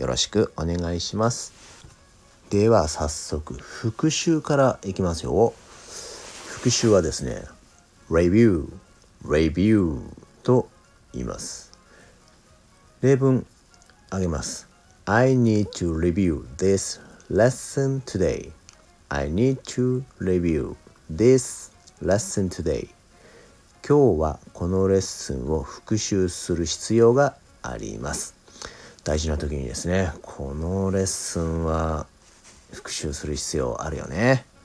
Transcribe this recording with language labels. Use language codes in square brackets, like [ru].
[ja] よろしくお願いします。では早速復習からいきますよ。復習はですね、レビューと言います。例文あげます。 [en] I need to review this lesson today. [ja] 今日はこのレッスンを復習する必要があります。大事な時にですね、このレッスンは復習する必要あるよね。